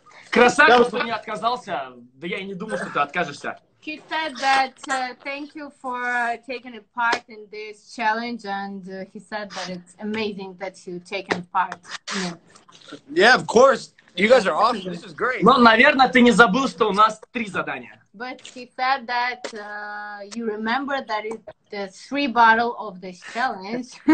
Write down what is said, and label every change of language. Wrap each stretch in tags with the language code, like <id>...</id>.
<ru>Красавчик, что не отказался. Да я и не думал, что ты откажешься.</ru> <en>He said that thank you for taking a part in this challenge, and he said that it's amazing that you taken part in it. Yeah, of course. You guys are awesome. This is great.</en> <ru>Ну, наверное, ты не забыл, что у нас три задания.</ru> <en>But he said that you remember that it's the three bottle of this challenge.</en>